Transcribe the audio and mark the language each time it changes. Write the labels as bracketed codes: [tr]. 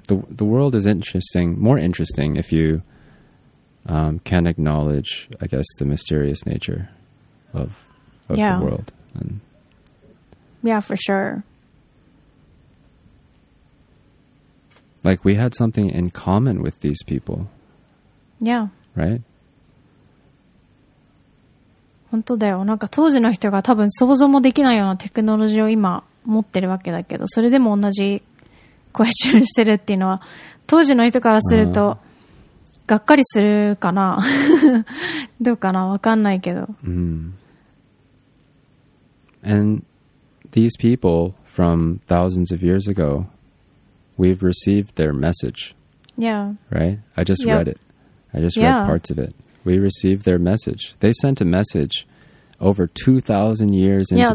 [en] The world is interesting, more interesting if you can acknowledge, I guess, the mysterious nature of the world. And yeah, for sure. Like, we had something in common with these people. Yeah. Right? [ja] 本当だよ。なんか当時の人が多分想像もできないようなテクノロジーを今持ってるわけだけど、それでも同じクエスチョンしてるっていうのは当時の人からするとがっかりするかな。どうかな、わかんないけど。 [en] And these people from thousands of years ago, we've received their message. Yeah. Right? I just read it. I just read parts of it. We received their message. They sent a message over 2,000 years into the future.